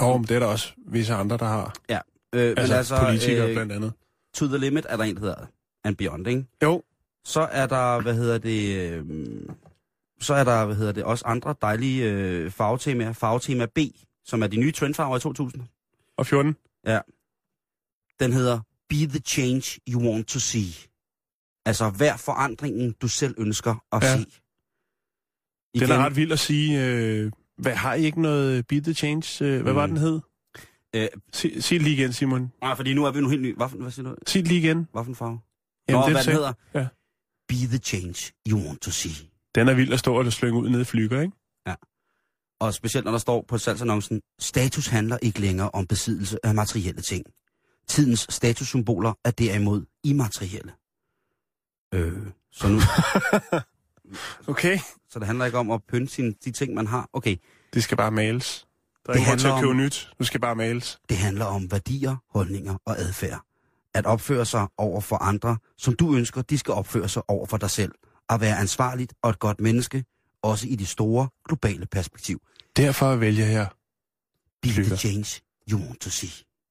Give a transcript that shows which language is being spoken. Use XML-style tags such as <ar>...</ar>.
<da>Og det er der også visse andre, der har. Ja. Altså politikere blandt andet. To the limit er der en, der hedder and beyond, ikke? Jo. Så er der, hvad hedder det... så er der, hvad hedder det, også andre dejlige farvetemaer. Farvetema B, som er de nye trendfarver i 2000. Og 14. Ja. Den hedder Be the change you want to see. Altså, hver forandringen, du selv ønsker at ja. Se. Igen. Den er ret vildt at sige... Hvad, har I ikke noget Be The Change? Hvad var den hed? Sig lige igen, Simon. Nej, fordi nu er vi nu helt ny. Hvad siger du? Sig lige igen. Hvad for en farve? Jamen, nå, det hvad den hedder? Ja.</da> <en>Be The Change You Want To See.</en> <da>Den er vild at stå og slynge ud nede i flygger, ikke? Ja. Og specielt, når der står på salgsannoncen, status handler ikke længere om besiddelse af materielle ting. Tidens statussymboler er derimod immaterielle. Så nu... Okay. Så det handler ikke om at pynte sine, de ting, man har. Okay. Det skal bare males. Der er ikke til at købe nyt. Du skal bare males. Det handler om værdier, holdninger og adfærd. At opføre sig over for andre, som du ønsker, de skal opføre sig over for dig selv. At være ansvarligt og et godt menneske, også i det store, globale perspektiv. Derfor vælger jeg...</da> <en>Be the change you want to see.</en>